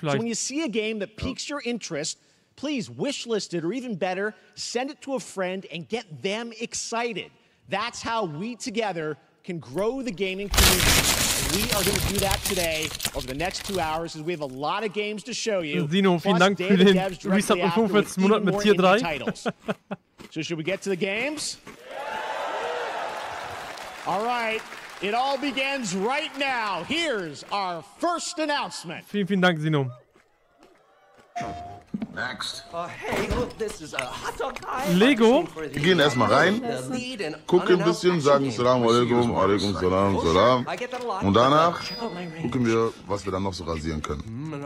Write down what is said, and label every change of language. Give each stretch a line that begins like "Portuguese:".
English: when you see a game that piques your interest, please wishlist it or even better, send it to a friend and get them excited. That's how we together can grow the gaming community. We are going to do that today over the next 2 hours as we have a lot of games to show you.
German: Dino, vielen Dank für den Resub in 45 Monaten mit Tier 3.
English: So should we get to the games? All right, it all begins right now. Here's our first announcement.
German: Vielen, vielen Dank, Dino.
English: Next. Hey, look, this is a hot dog guy. Lego.
German: Wir gehen erstmal rein, gucken ein bisschen, sagen
Arabic: Salam Aleikum, Aleikum Salam, Salam.
German: Und danach gucken wir, was wir dann noch so rasieren können.